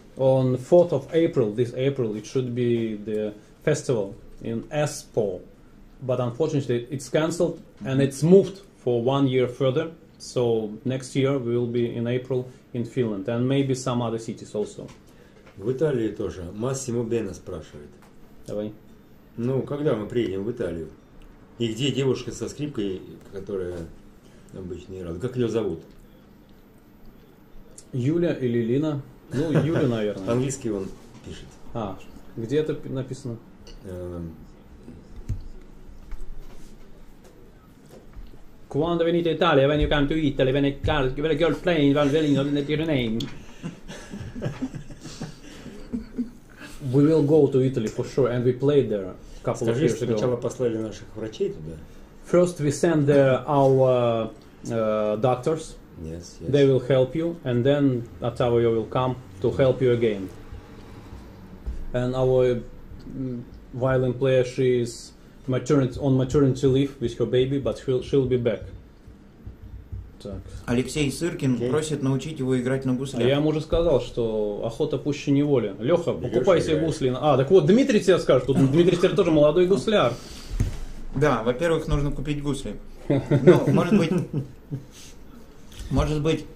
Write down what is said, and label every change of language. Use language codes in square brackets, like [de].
[en] On 4th of April, this April, it should be the festival in Espoo, but unfortunately it's cancelled and it's moved for 1 year further, so next year we will be in April in Finland and maybe some other cities also. [ru] В Италии тоже. Массимо Бена спрашивает. Давай. Ну, когда мы приедем в Италию? И где девушка со скрипкой, которая обычно играет? Как ее зовут? Юля или Лина? Ну, Юля, наверное. Английский он пишет. А, где это написано? [it] Quando venite Italia, [en] when you come to Italy, when you have a girl playing, when you have a girl name. We will go to Italy for sure, and we played there a couple [ru] Скажи, [en] of years ago. [ru] Скажи, сначала послали наших врачей туда. [en] First we send there our doctors. Yes, yes. They will help you, and then Ottavio will come to help you again. And our violin player, she is on maternity leave with her baby, but she'll be back. [ru] Так. Алексей Сыркин okay. просит научить его играть на гусле. Я ему уже сказал, что охота пуще неволи. Леха, покупай себе гусли. А, так вот, Дмитрий тебе скажет. Тут Дмитрий теперь тоже молодой гусляр. Да, во-первых, нужно купить гусли. Ну, может быть... Может быть,